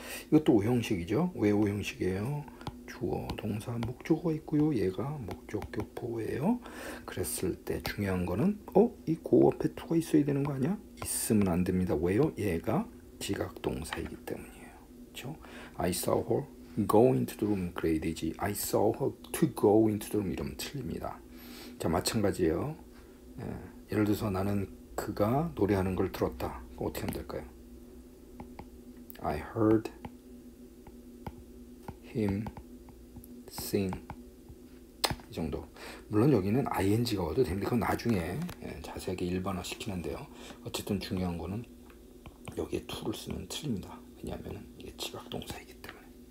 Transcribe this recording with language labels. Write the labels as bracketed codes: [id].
[ko] 이것도 오형식이죠? 왜 오형식이에요? 주어, 동사, 목적어 있고요. 얘가 목적 교포예요. 그랬을 때 중요한 거는 어? 이 고 앞에 to가 있어야 되는 거 아니야? 있으면 안 됩니다. 왜요? 얘가 지각 동사이기 때문이에요. 그렇죠? [en] I saw her go into the room [ko] 그래야 되지. [en] I saw her to go into the room [ko] 이러면 틀립니다. 자, 마찬가지예요. 예, 예를 들어서 나는 그가 노래하는 걸 들었다. 어떻게 하면 될까요? [en] I heard him sing [ko] 이 정도 물론 여기는 ing가 와도 됩니다 그건 나중에 자세하게 일반화 시키는데요 어쨌든 중요한 거는 여기에 to를 쓰면 틀립니다 왜냐하면 이게 지각동사이기 때문에